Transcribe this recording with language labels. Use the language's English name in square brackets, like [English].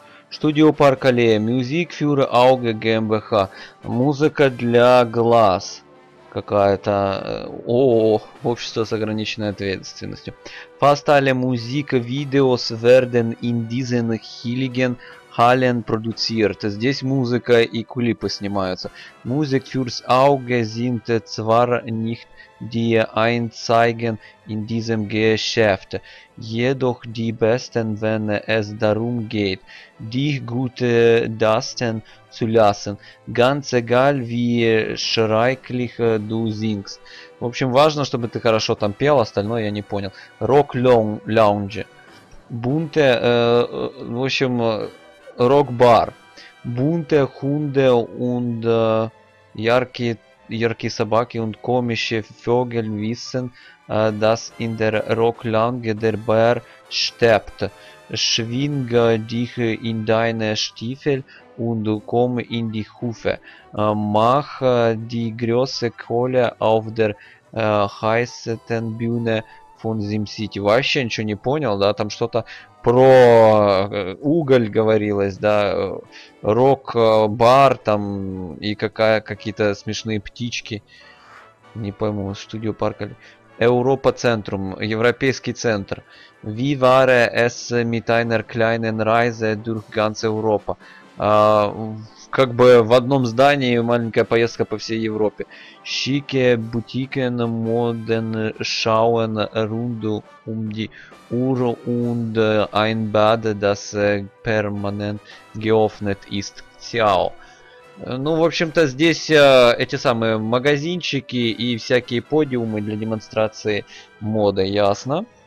[German] Studio Park Allee. Music für Auge GmbH. [Russian] Музыка для глаз. Какая-то... О, общество с ограниченной ответственностью. [German] Fast alle Musikvideos werden in diesen heiligen Hallen produziert. [Russian] Здесь музыка и клипы снимаются. [German] Musik fürs Auge sind zwar nicht die einzigen in diesem Geschäft, jedoch die besten, wenn es darum geht, dich gut dasten zu lassen. Ganz egal, wie schrecklich du singst. [Russian] В общем, важно, чтобы ты хорошо там пел, остальное я не понял. [German] Rock Lounge. [Russian] Bunte, в общем, Rock Bar. [German] Bunte Hunde und [Russian] яркие собаки [German] und komische Vögel wissen, dass in der Rock Lounge der Bär steppt. Schwing dich in deine Stiefel und komm in die Hufe. Mach die große Kohle auf der heißen Bühne von SimCity. [Russian] Вообще ничего не понял, да, там что-то про уголь говорилось, да, рок-бар там и какие-то смешные птички. Не пойму, студию паркали. Europa Centrum, европейский центр. [German] Wie war es mit einer kleinen Reise durch ganz Europa? [Russian] Как бы в одном здании маленькая поездка по всей Европе. [German] Schicke Boutiquen, Moden schauen rund um die Uhr und ein Bad, das permanent geöffnet ist. [Italian] Ciao. [Russian] Ну, в общем-то, здесь эти самые магазинчики и всякие подиумы для демонстрации моды, ясно.